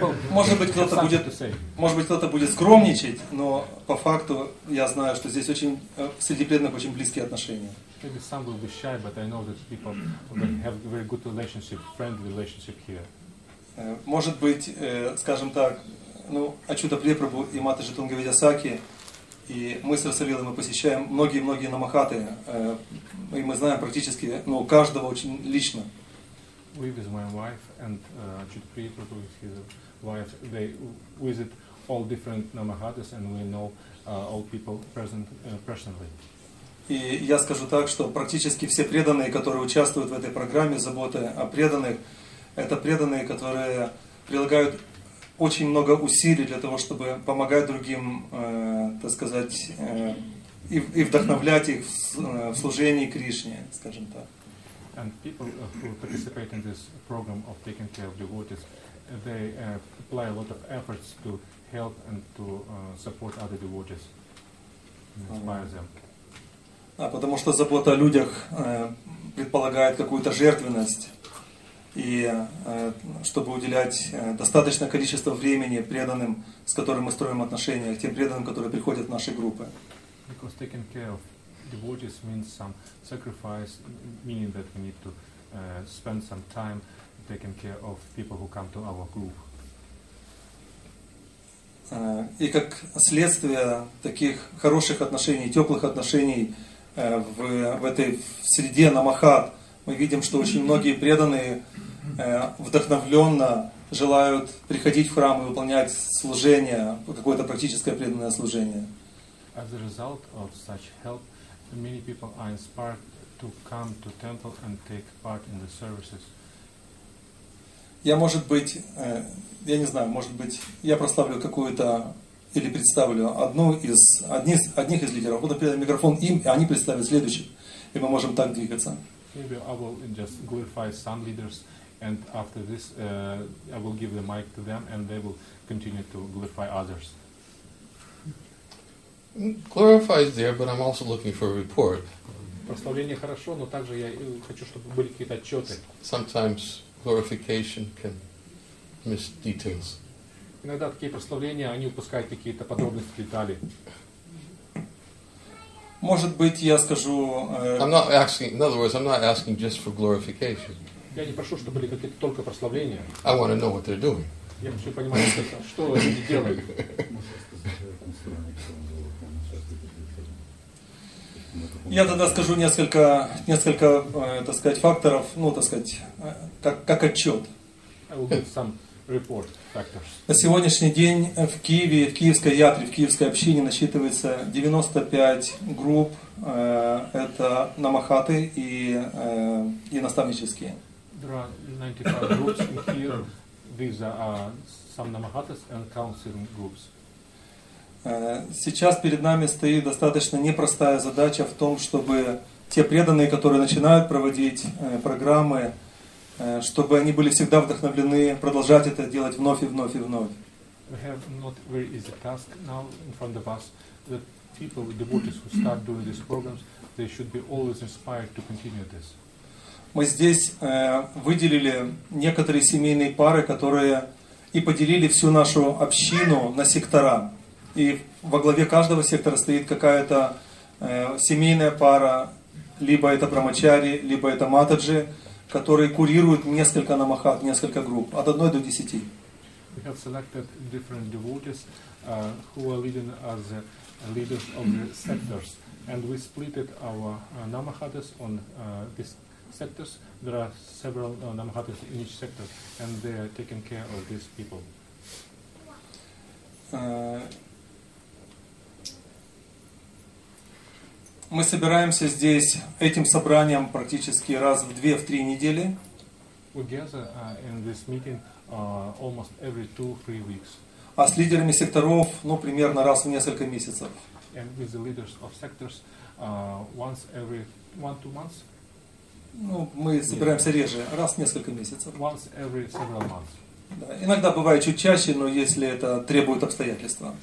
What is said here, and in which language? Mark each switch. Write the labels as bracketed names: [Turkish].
[Russian] Может быть, кто-то будет скромничать, но по факту я знаю, что здесь очень среди преданных очень близкие отношения. [English] Maybe some will be shy, but I know that people have a very good relationship, friendly relationship here. [Russian] Может быть, скажем так, ну, Ачюта Препрабху и Матаджи Тунга Видясаки, и мы с Расалилой, мы посещаем многие-многие намахаты, и мы знаем практически, ну, каждого очень лично. [English] live with my wife, and Achyut Prayaprabhu with his wife, they visit all different Namahadas, and we know all people present personally. [Russian] И я скажу так, что практически все преданные, которые участвуют в этой программе заботы о преданных, это преданные, которые прилагают очень много усилий для того, чтобы помогать другим, так сказать, и вдохновлять их в служении Кришне, скажем так. [English] And people who participate in this program of taking care of devotees, they apply a lot of efforts to help and to support other devotees, inspire them. [Russian] А потому что забота о людях предполагает какую-то жертвенность, и чтобы уделять достаточное количество времени преданным, с которыми мы строим отношения, тем преданным, которые приходят в наши группы. [English] Because taking care of devotees means some sacrifice, meaning that we need to spend some time taking care of people who come to our group. [Russian] И как следствие таких хороших отношений, теплых отношений в этой среде намахат, мы видим, что очень многие преданные вдохновленно желают приходить в храм и выполнять служение, какое-то практическое преданное служение. [English] As a result of such help, many people are inspired to come to temple and take part in the services. [Russian] Я, может быть, я не знаю, может быть, я прославлю какую-то или представлю одних из лидеров. Буду передавать микрофон им, и они представят следующих. И мы можем так двигаться. [English] Maybe I will just glorify some leaders, and after this I will give the mic to them, and they will continue to glorify others. Glorify is there, but I'm also looking for a report. [Russian] Прославление хорошо, но также я хочу, чтобы были какие-то отчеты. [English] Sometimes glorification can miss details. [Russian] Иногда такие прославления, они упускают какие-то подробности, детали. Может быть, я скажу... [English] I'm not asking, in other words, I'm not asking just for glorification. [Russian] Я не прошу, чтобы были какие-то только прославления. [English] I want to know what they're doing. [Russian] Я хочу понимать, что они делают. Я тогда скажу несколько, так сказать, факторов, ну, так сказать, как отчет. [English] I will give some report factors. [Russian] На сегодняшний день в Киеве, в Киевской ятре, в Киевской общине насчитывается 95 групп, это намахаты и наставнические. [English] There are 95 groups in Kiev. These are some namahatas and counseling groups. [Russian] Сейчас перед нами стоит достаточно непростая задача в том, чтобы те преданные, которые начинают проводить программы, чтобы они были всегда вдохновлены продолжать это делать вновь и вновь и вновь. [English] We have not very easy task now in front of us. The people, the devotees who start doing these programs, they should be always inspired to continue this. [Russian] Мы здесь выделили некоторые семейные пары, которые и поделили всю нашу общину на сектора. И во главе каждого сектора стоит какая-то семейная пара, либо это брамачари, либо это матаджи, которые курируют несколько намахат, несколько групп, от 1 до 10. [English] We have selected different devotees who are leading as the leaders of the sectors. And we splitted our namahatas on these sectors. There are several namahatas in each sector, and they are taking care of these people. [Russian] Мы собираемся здесь этим собранием практически раз в 2-3 недели. [English] We gather in this meeting almost every 2-3 weeks. [Russian] А с лидерами секторов, ну, примерно раз в несколько месяцев. [English] And with the leaders of sectors once every 1-2 months? [Russian] Ну, мы собираемся реже, раз в несколько месяцев. [English] Once every several months. [Russian] Да, иногда бывает чуть чаще, но если это требует обстоятельства.